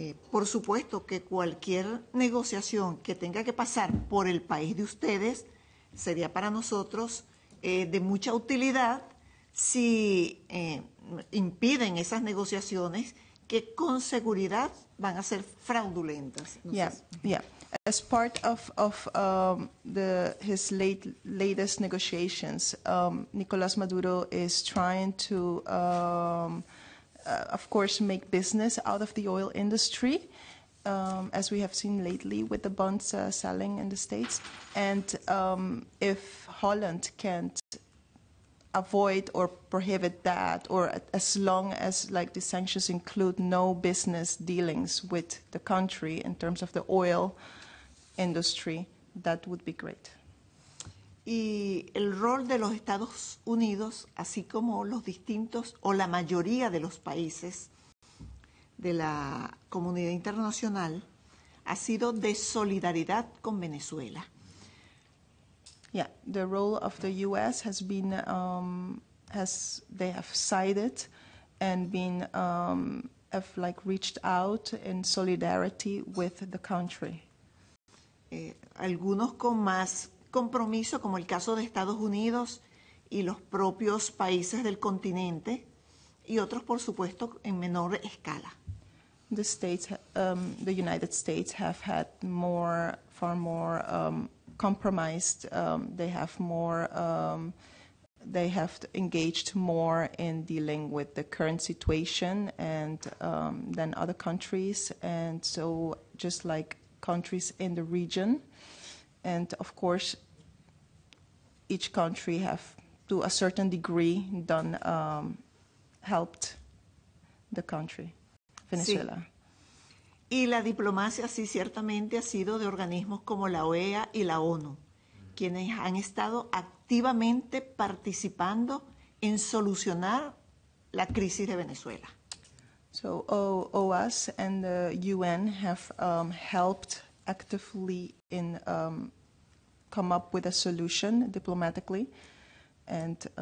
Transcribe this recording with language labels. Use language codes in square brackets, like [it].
[es] Por supuesto que cualquier negociación que tenga que pasar por el país de ustedes sería para nosotros de mucha utilidad si impiden esas negociaciones que con seguridad van a ser fraudulentas. [en] No As part of his latest negotiations, Nicolás Maduro is trying to, of course, make business out of the oil industry, as we have seen lately with the bonds selling in the States. And if Holland can't avoid or prohibit that, or as long as like the sanctions include no business dealings with the country in terms of the oil industry, that would be great. [es] Y el rol de los Estados Unidos, así como los distintos o la mayoría de los países de la comunidad internacional, ha sido de solidaridad con Venezuela. [en] Yeah, the role of the U.S. has been, they have sided and been, have like reached out in solidarity with the country. [es] Algunos con más compromiso, como el caso de Estados Unidos y los propios países del continente, y otros, por supuesto, en menor escala. [en] The states, the United States have had more, far more compromised. They have more, they have engaged more in dealing with the current situation and than other countries, and so just like countries in the region, and of course each country have to a certain degree done helped the country Venezuela. [es] Y la diplomacia sí ciertamente ha sido de organismos como la OEA y la ONU, quienes han estado activamente participando en solucionar la crisis de Venezuela. [en] So OAS and the UN have helped actively in come up with a solution diplomatically, and